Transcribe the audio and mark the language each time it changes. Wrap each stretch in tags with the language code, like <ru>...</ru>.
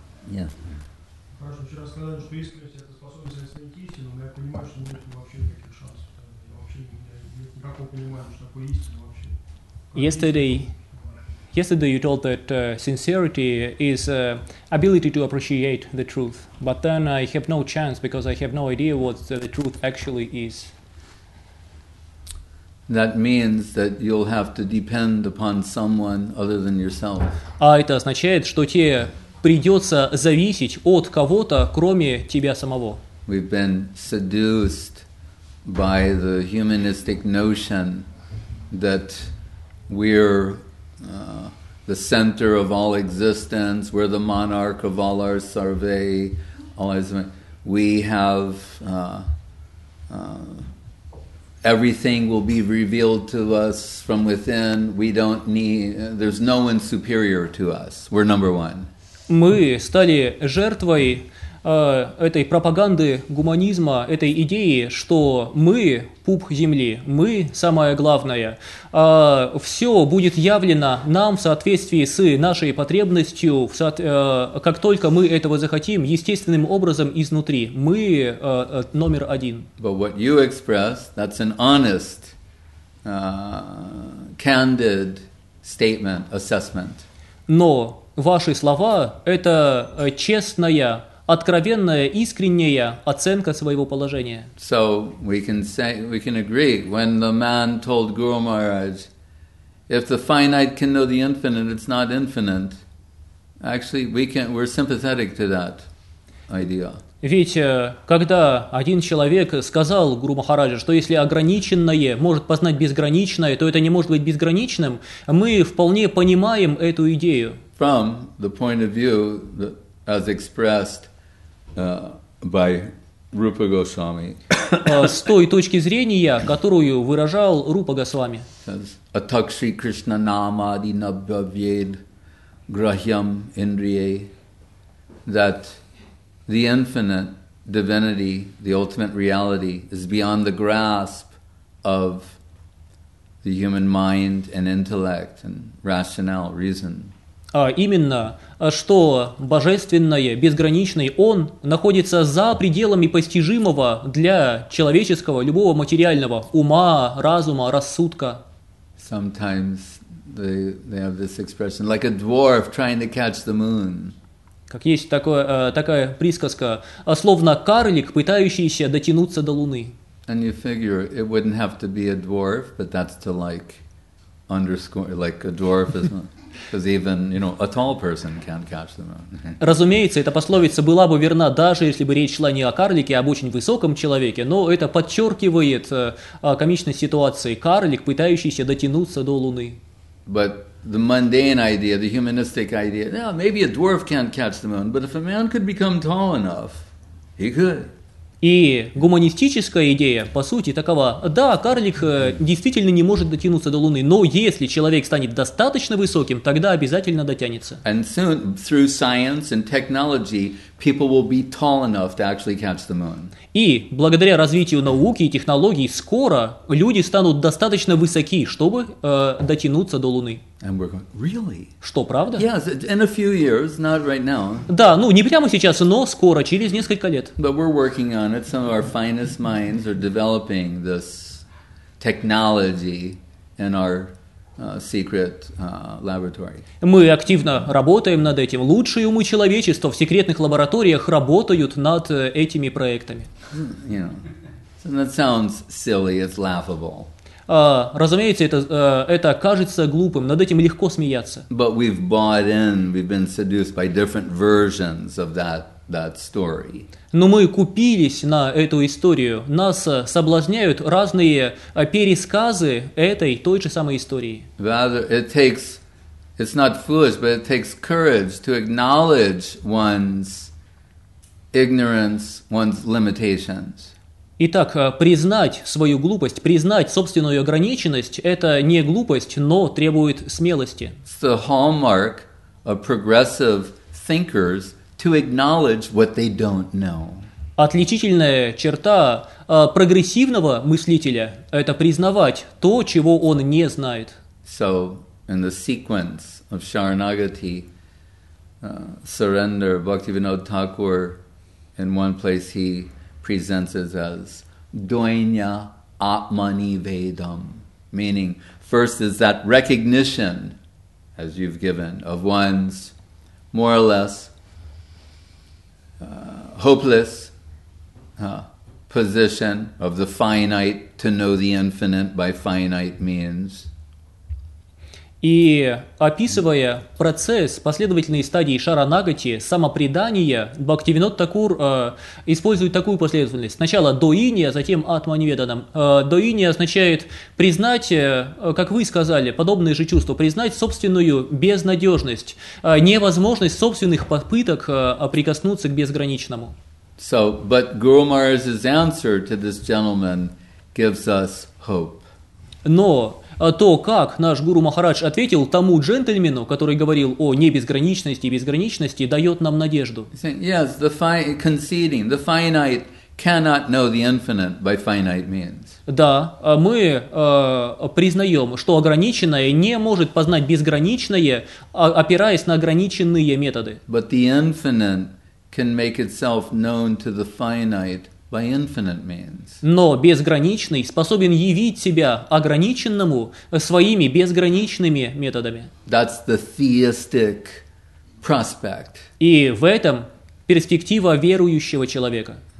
<en>Yeah.</en> <ru>Хорошо, вчера сказали, что искренность — это способность оценить истину, но я понимаю, что нет вообще никаких шансов. Вообще нет никакого понимания, что такое истина вообще.</ru> <en>Yesterday you told that sincerity is ability to appreciate the truth, but then I have no chance because I have no idea what the truth actually is. That means that you'll have to depend upon someone other than yourself.</en> <ru>А это означает, что тебе придется зависеть от кого-то, кроме тебя самого.</ru> <en>We've been seduced by the humanistic notion that we're the center of all existence, we're the monarch of all our survey, all our survey. We have everything will be revealed to us from within. We don't need, there's no one superior to us. We're number one.</en> <ru>Мы стали жертвой этой пропаганды гуманизма, этой идеи, что мы пуп земли, мы самое главное. Все будет явлено нам в соответствии с нашей потребностью, как только мы этого захотим, естественным образом изнутри. Мы номер один.</ru> <en>But what you express, that's an honest, candid statement, assessment.</en> <ru>Но ваши слова – это честная, откровенная, искренняя оценка своего положения.</ru> <en>So we can say, we can agree, when the man told Guru Maharaj, if the finite can know the infinite, it's not infinite. Actually, we're sympathetic to that idea.</en> <ru>Ведь когда один человек сказал Гуру Махараджу, что если ограниченное может познать безграничное, то это не может быть безграничным, мы вполне понимаем эту идею.</ru> <en>From the point of view that, as expressed by Rupa Goswami.</en> <ru>С той точки зрения, которую выражал Рупа Госвами.</ru> <sa>Атак Шри Кришна Нама Адинабхавьед Грахьям Индрие.</sa> <en>That the infinite divinity, the ultimate reality, is beyond the grasp of the human mind and intellect and rationale, reason.</en> <ru>Именно, что божественное, безграничное, он находится за пределами постижимого для человеческого, любого материального, ума, разума, рассудка.</ru> <en>Sometimes they have this expression, like a dwarf trying to catch the moon.</en> <ru>Как есть такая присказка, словно карлик, пытающийся дотянуться до Луны.</ru> <en>And you figure, it wouldn't have to be a dwarf, but that's to like underscore, like a dwarf is... Because even, you know, a tall person can't catch the moon.</en> <ru>Разумеется, эта пословица была бы верна, даже если бы речь шла не о карлике, а об очень высоком человеке, но это подчеркивает комичность ситуации. Карлик, пытающийся дотянуться до Луны.</ru> <en>But the mundane idea, the humanistic idea, yeah, maybe a dwarf can't catch the moon, but if a man could become tall enough, he could.</en> <ru>И гуманистическая идея, по сути, такова. Да, карлик действительно не может дотянуться до Луны, но если человек станет достаточно высоким, тогда обязательно дотянется.</ru> <en>And soon, through science and technology, people will be tall enough to actually catch the moon.</en> <ru>И благодаря развитию науки и технологий, скоро люди станут достаточно высоки, чтобы дотянуться до Луны.</ru> <en>And we're going, really?</en> <ru>Что, правда?</ru> <en>Yes, in a few years, not right now.</en> <ru>Да, ну, не прямо сейчас, но скоро, через несколько лет.</ru> <en>But we're working on it. Some of our finest minds are developing this technology in our secret laboratory.</en> <ru>Мы активно работаем над этим. Лучшие умы человечества в секретных лабораториях работают над этими проектами.</ru> <en>You know, so that sounds silly, it's laughable.</en> <ru>Разумеется, это кажется глупым, над этим легко смеяться.</ru> <en>But we've bought in, we've been seduced by different versions of that story.</en> <ru>Но мы купились на эту историю. Нас соблазняют разные пересказы этой той же самой истории.</ru> <en>Rather, it's not foolish, but it takes courage to acknowledge one's ignorance, one's limitations.</en> <ru>Итак, признать свою глупость, признать собственную ограниченность – это не глупость, но требует смелости.</ru> <en>It's the hallmark of progressive thinkers to acknowledge what they don't know.</en> <ru>Отличительная черта прогрессивного мыслителя – это признавать то, чего он не знает.</ru> <en>So, in the sequence of Sharanagati, surrender, Bhaktivinoda Thakur, in one place he presents it as Dvaina Atmani Vedam, meaning first is that recognition, as you've given, of one's more or less hopeless position of the finite to know the infinite by finite means.</en> <ru>И описывая процесс последовательной стадии шаранагати, самопредания, Бхактивинод Такур использует такую последовательность. Сначала доиния, затем атманиведанам. Доиния означает признать, как вы сказали, подобные же чувства, признать собственную безнадежность, невозможность собственных попыток прикоснуться к безграничному.</ru> <en>So, but Guru Maharaj's answer to this gentleman gives us hope.</en> <ru>Но то, как наш гуру Махарадж ответил тому джентльмену, который говорил о небезграничности и безграничности, дает нам надежду.</ru> <en>Yes, the conceding the finite cannot know the infinite by finite means.</en> <ru>Да, мы признаем, что ограниченное не может познать безграничное, опираясь на ограниченные методы.</ru> <en>But the infinite can make itself known to the finite. By infinite means.</en> <ru>Но безграничный способен явить себя ограниченному своими безграничными методами.</ru> <en>That's the theistic prospect.</en> <ru>И в этом перспектива верующего человека.</ru>